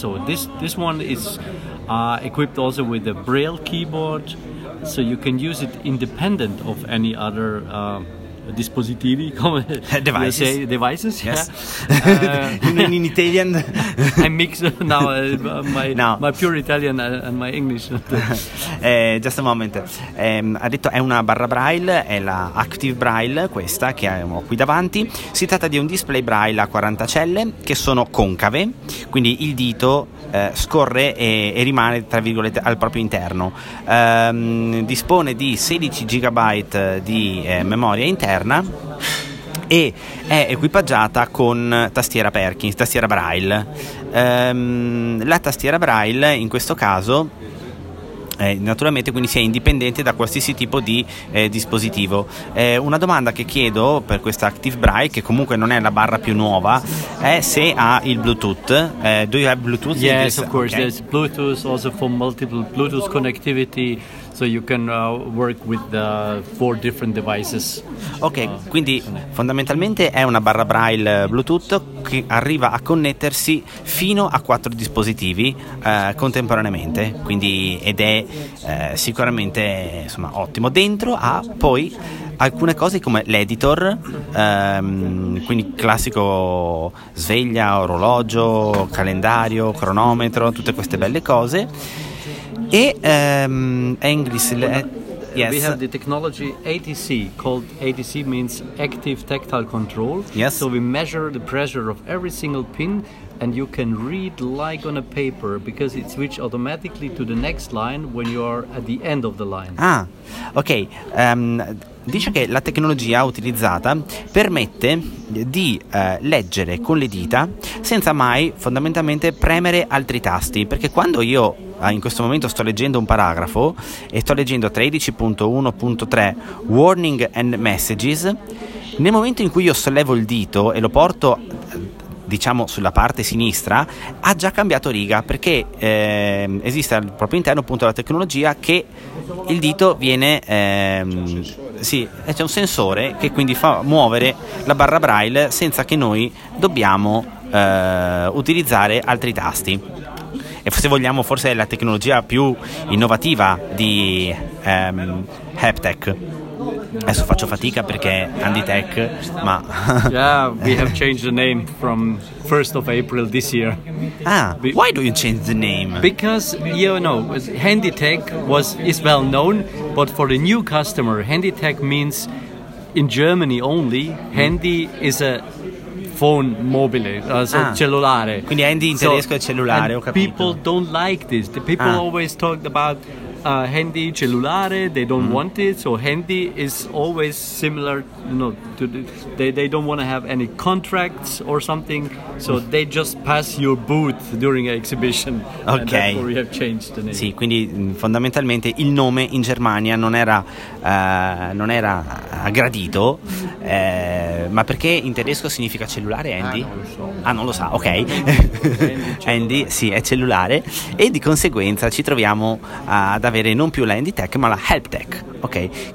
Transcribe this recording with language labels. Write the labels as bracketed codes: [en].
[en] So this one is equipped also with a Braille keyboard, so you can use it independent of any other [it] dispositivi, come [en] devices. Say, devices, yes. Yeah. in Italian, I mix now my pure Italian and my English. just a moment. [it] Ha detto è una barra Braille, è la Active Braille, questa che ho qui davanti. Si tratta di un display Braille a 40 celle che sono concave, quindi il dito scorre e rimane tra virgolette al proprio interno. Dispone di 16 GB di memoria interna e è equipaggiata con tastiera Perkins, tastiera Braille. La tastiera Braille in questo caso naturalmente quindi si è indipendente da qualsiasi tipo di dispositivo. Una domanda che chiedo per questa Active Braille, che comunque non è la barra più nuova, è se ha il Bluetooth. [en] Do you have Bluetooth? Yes, of course. Okay. There's Bluetooth also for multiple Bluetooth connectivity, so you can work with the 4 different devices. [it] Ok, quindi fondamentalmente è una barra Braille Bluetooth che arriva a connettersi fino a 4 dispositivi contemporaneamente, quindi ed è sicuramente insomma ottimo. Dentro ha poi alcune cose come l'editor, quindi classico sveglia, orologio, calendario, cronometro, tutte queste belle cose. [en] E English, yes. We have the technology ATC, called ATC means active tactile control. Yes. So we measure the pressure of every single pin, and you can read like on a paper because it switches automatically to the next line when you are at the end of the line. Ah, ok. [it] Dice che la tecnologia utilizzata permette di leggere con le dita senza mai fondamentalmente premere altri tasti, perché quando io in questo momento sto leggendo un paragrafo e sto leggendo 13.1.3 [en] Warning and Messages, [it] nel momento in cui io sollevo il dito e lo porto diciamo sulla parte sinistra, ha già cambiato riga, perché esiste al proprio interno appunto la tecnologia che il dito viene c'è un sensore che quindi fa muovere la barra Braille senza che noi dobbiamo utilizzare altri tasti. E se vogliamo, forse è la tecnologia più innovativa di Helptech. Adesso faccio fatica perché Handytech, ma [en] yeah, we have changed the name from 1st of April this year. Ah, why do you change the name? Because you know, Handytech is well known, but for the new customer, Handytech means in Germany only. Handy is a phone mobile, cellulare. [it] Quindi Handy in tedesco è cellulare, ho capito. [en] People don't like this. The people always talk about Handy cellulare, they don't want it. So Handy is always similar, you know, to the, they don't want to have any contracts or something, so they just pass your booth during an exhibition. Okay. And therefore we have changed the name. [it] Sì, quindi fondamentalmente il nome in Germania non era gradito, Ma perché in tedesco significa cellulare, Andy? Ah, non lo so. Ah, non lo sa, ok. Andy, sì, è cellulare. E di conseguenza ci troviamo ad avere non più l'Andy Tech, ma la Help Tech, ok?